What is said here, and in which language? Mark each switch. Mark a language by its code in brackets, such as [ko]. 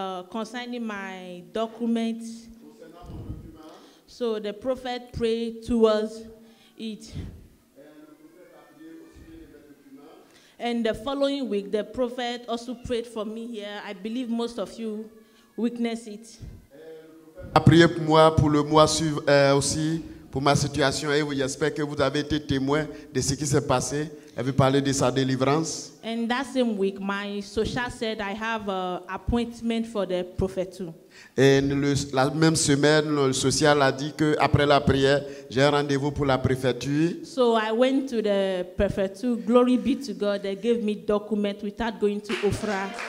[en] Concerning my documents. So the prophet prayed towards it. And the following week, the prophet also prayed for me here. I believe most of you witnessed it. [fr] A prié pour moi pour le mois suivant aussi. Pour ma situation, et j'espère que vous avez été témoin de ce qui s'est passé. Elle veut parler de sa délivrance. [en] And that same week, my social said I have an appointment for the prophet too. [fr] Et la même semaine, le social a dit que après la prière, j'ai un rendez-vous pour la préfecture. [en] So I went to the prefecture. Glory be to God. They gave me documents without going to Ofra.